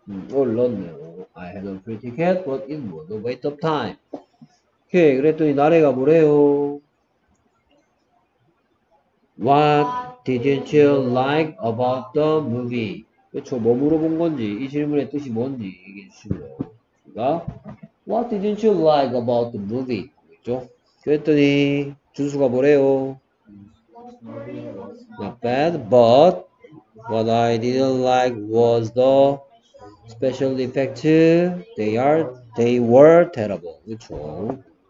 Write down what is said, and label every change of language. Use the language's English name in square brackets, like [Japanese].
[Korean] 올랐네요. [English] I had a free ticket, but it was a waste of time. [Korean] 오케이, 그랬더니 나래가 뭐래요? [English] What didn't you like about the movie? [Korean] 그쵸, 뭐 물어본 건지, 이 질문의 뜻이 뭔지 얘기해주시고요. 그러니까, [English] What didn't you like about the movie? [Korean] 그쵸? 그랬더니 준수가 뭐래요? [English] Not bad, but what I didn't like was the special effect, they were terrible. [Korean] 그쵸?